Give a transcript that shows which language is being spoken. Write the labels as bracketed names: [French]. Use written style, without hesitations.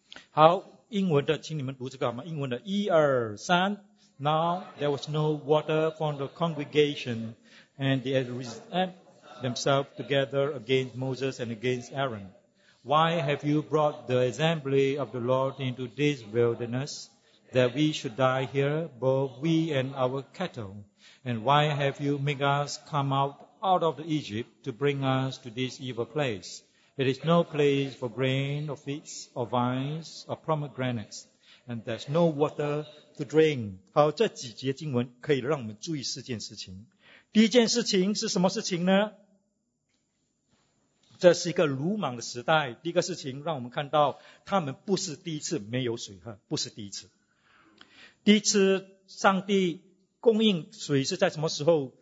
[Chinese] 好，英文的请你们读这个好吗？英文的一二三， [English] Now there was no water for the congregation, and they had resolved themselves together against Moses and against Aaron. Why have you brought the assembly of the Lord into this wilderness, that we should die here, both we and our cattle? And why have you made us come out of Egypt to bring us to this evil place? There is no place for grain or figs or vines or pomegranates, and there's no water to drink. [Chinese] 好，这几节经文可以让我们注意四件事情。第一件事情是什么事情呢？这是一个鲁莽的时代。第一个事情让我们看到，他们不是第一次没有水喝，不是第一次。第一次上帝供应水是在什么时候？